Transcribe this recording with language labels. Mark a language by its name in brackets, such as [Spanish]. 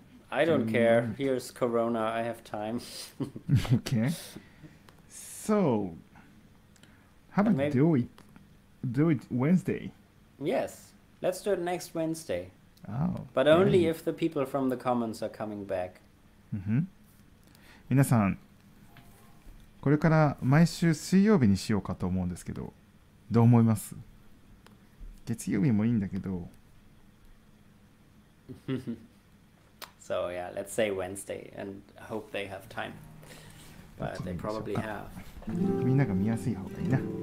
[English] I don't care. Here's Corona. I have time. Okay. So, how about do it Wednesday? Yes. Let's do it next Wednesday. Oh. But only if the people from the comments are coming back. Mm-hmm. [Japanese] 皆さん、これから毎週水曜日にしようかと思うんですけど、どう思います？月曜日もいいんだけど。 [English] So yeah, let's say Wednesday and hope they have time. But they probably have. [Japanese] みんなが見やすい方がいいな。